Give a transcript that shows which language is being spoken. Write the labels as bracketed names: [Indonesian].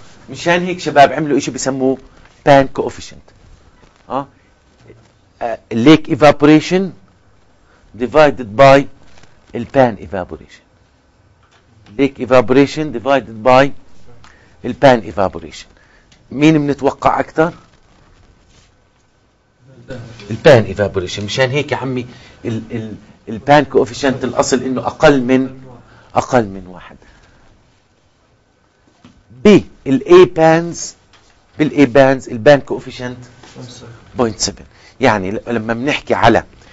[Arabic] مشان هيك شباب عملوا اشي بسموه بان كوفيشنت. الليك ايفابوريشن ديفايدد باي البان ايفابوريشن. [English] Lake evaporation divided by the pan evaporation. [Arabic] مين منتوقع أكثر؟ البان evaporation. مشان هيك يا عمي البان coefficient الأصل إنه أقل من واحد. B الA pans بالA pans البان coefficient 0.7. يعني لما بنحكي على